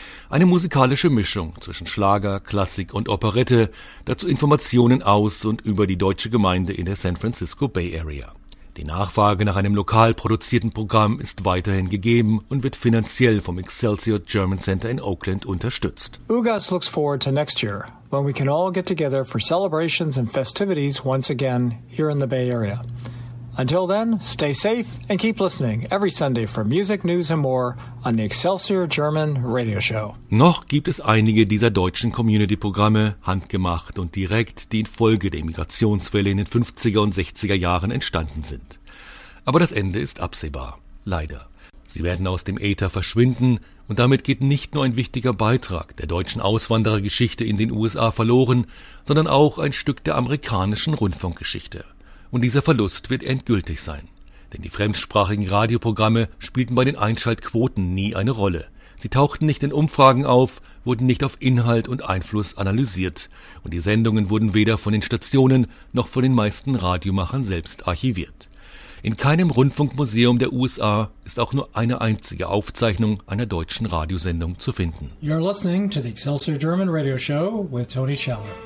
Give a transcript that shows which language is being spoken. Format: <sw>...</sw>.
<de>Eine musikalische Mischung zwischen Schlager, Klassik und Operette, dazu Informationen aus und über die deutsche Gemeinde in der San Francisco Bay Area. Die Nachfrage nach einem lokal produzierten Programm ist weiterhin gegeben und wird finanziell vom Excelsior German Center in Oakland unterstützt.</de> <en>UGAS looks forward to next year, when we can all get together for celebrations and festivities once again here in the Bay Area. Until then, stay safe and keep listening every Sunday for music, news and more on the Excelsior German Radio Show.</en> <de>Noch gibt es einige dieser deutschen Community-Programme, handgemacht und direkt, die infolge der Migrationswelle in den 50er und 60er Jahren entstanden sind. Aber das Ende ist absehbar. Leider. Sie werden aus dem Äther verschwinden und damit geht nicht nur ein wichtiger Beitrag der deutschen Auswanderergeschichte in den USA verloren, sondern auch ein Stück der amerikanischen Rundfunkgeschichte. Und dieser Verlust wird endgültig sein. Denn die fremdsprachigen Radioprogramme spielten bei den Einschaltquoten nie eine Rolle. Sie tauchten nicht in Umfragen auf, wurden nicht auf Inhalt und Einfluss analysiert. Und die Sendungen wurden weder von den Stationen noch von den meisten Radiomachern selbst archiviert. In keinem Rundfunkmuseum der USA ist auch nur eine einzige Aufzeichnung einer deutschen Radiosendung zu finden.</de> <en>You're listening to the Excelsior German Radio Show with Tony Scheller.</en>